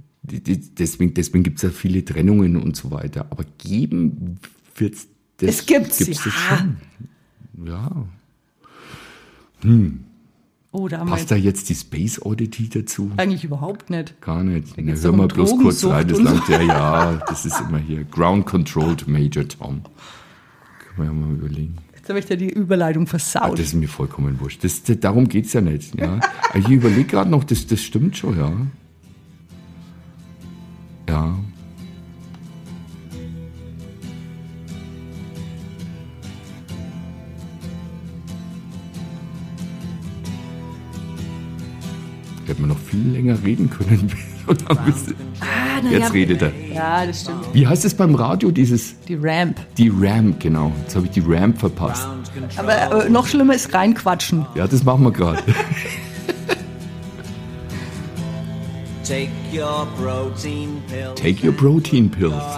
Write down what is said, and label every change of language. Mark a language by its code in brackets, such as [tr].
[de] Deswegen gibt es ja viele Trennungen und so weiter. Aber geben wird es das. Es gibt es ja. Schon. Ja. Oh, da passt da jetzt die Space Oddity dazu? Eigentlich überhaupt nicht. Gar nicht. Ne, hör mal bloß kurz rein. Das Land, ja, das ist immer hier. [en] Ground Controlled Major Tom. [de] Können wir ja mal überlegen. Jetzt habe ich da die Überleitung versaut. Ah, das ist mir vollkommen wurscht. Darum geht es ja nicht. Ja? Ich überlege gerade noch, das stimmt schon, ja. Ja. Hätten wir noch viel länger reden können. Und dann bist du, jetzt ja, redet er. Ja, das stimmt. Wie heißt es beim Radio, dieses? Die Ramp. Die Ramp, genau. Jetzt habe ich die Ramp verpasst. Aber noch schlimmer ist reinquatschen. Ja, das machen wir gerade. [en] Take your protein pills.